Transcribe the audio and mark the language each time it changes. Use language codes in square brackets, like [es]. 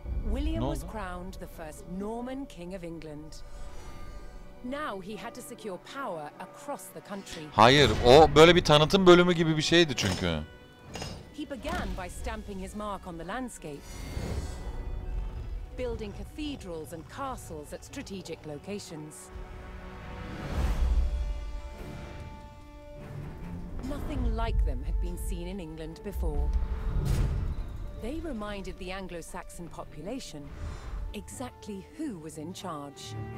[en] William was crowned the first Norman King of England. Now he had to secure power across the country. [tr] Hayır, o böyle bir tanıtım bölümü gibi bir şeydi çünkü. [en] He began by stamping his mark on the landscape. Building cathedrals and castles at strategic locations. Nothing like them had been seen in England before. They reminded the Anglo-Saxon population exactly who was in charge.